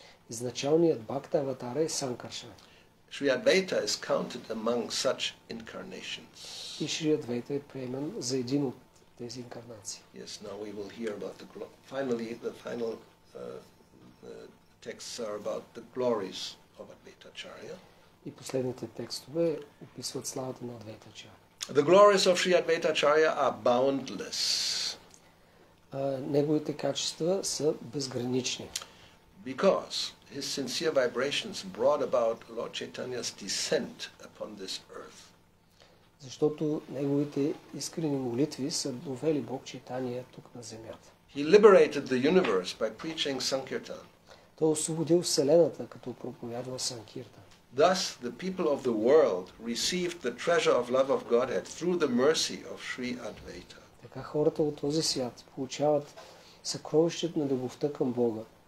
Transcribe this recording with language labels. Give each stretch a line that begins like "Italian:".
Bulgarian: Изначалният Бхакта аватар е Санкаршан.
English: Shri Advaita is counted among such incarnations.
Bulgarian: И Шри Адвайта е приеман за един от тези инкарнации.
English: Yes, now we will hear about the finally the final texts are about the glories of Advaita Acharya.
Bulgarian: И последните текстове описват славата на Адвайта Ачарья.
English: The glories of Shri Advaita Acharya are boundless.
Bulgarian: Неговите качества са безгранични.
English: Because his sincere vibrations brought about Lord Chaitanya's descent upon this earth.
Bulgarian: Защото неговите искрени молитви са довели Бог Чайтанья тук на земята.
English: He liberated the universe by preaching sankirtan.
Bulgarian: Той освободил вселената като проповядвал санкирта.
English: Thus the people of the world received the treasure of love of Godhead through the mercy of Sri Advaita.
Bulgarian: Така хората от този свят получават съкровището на любовта към Бога.